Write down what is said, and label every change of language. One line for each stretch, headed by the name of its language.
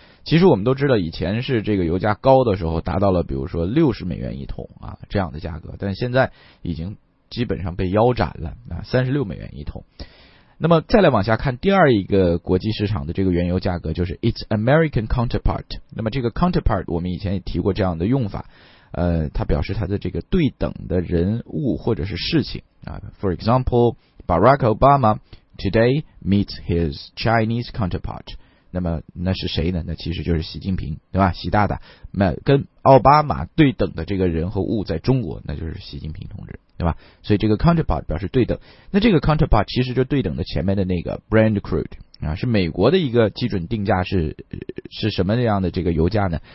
Chinese: 其实我们都知道以前是这个油价高的时候达到了比如说60美元一桶啊这样的价格，但现在已经基本上被腰斩了啊，36美元一桶。那么再来往下看第二一个国际市场的这个原油价格，就是
English: its American counterpart。
Chinese: 那么这个 counterpart 我们以前也提过这样的用法，它表示它的这个对等的人物或者是事情啊。
English: For example, Barack Obama today meets his Chinese counterpart。
Chinese: 那么那是谁呢？那其实就是习近平，对吧？习大大，那跟奥巴马对等的这个人和物在中国，那就是习近平同志，对吧？所以这个 counterpart 表示对等。那这个 counterpart 其实就对等的前面的那个 Brent crude 啊，是美国的一个基准定价，是什么样的这个油价呢？